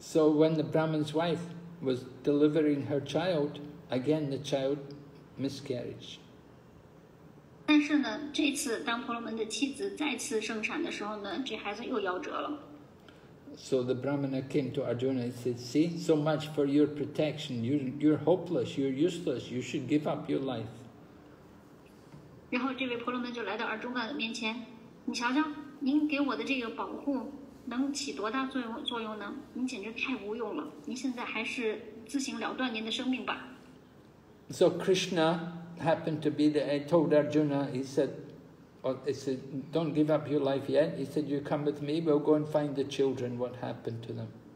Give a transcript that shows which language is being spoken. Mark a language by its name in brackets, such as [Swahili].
[English] when the Brahmin's wife was delivering her child, again the child miscarriage. [Chinese] 但是呢，这次当婆罗门的妻子再次生产的时候呢，这孩子又夭折了。 [English] So the Brahmana came to Arjuna and said, "See, so much for your protection. You're hopeless. You're useless. You should give up your life." [Chinese] 然后这位婆罗门就来到Arjuna的面前，你瞧瞧，您给我的这个保护能起多大作用呢？您简直太无用了，您现在还是自行了断您的生命吧。 [English] So Krishna happened to be there and told Arjuna, he said, "Don't give up your life yet." He said, "You come with me, we'll go and find the children, what happened to them."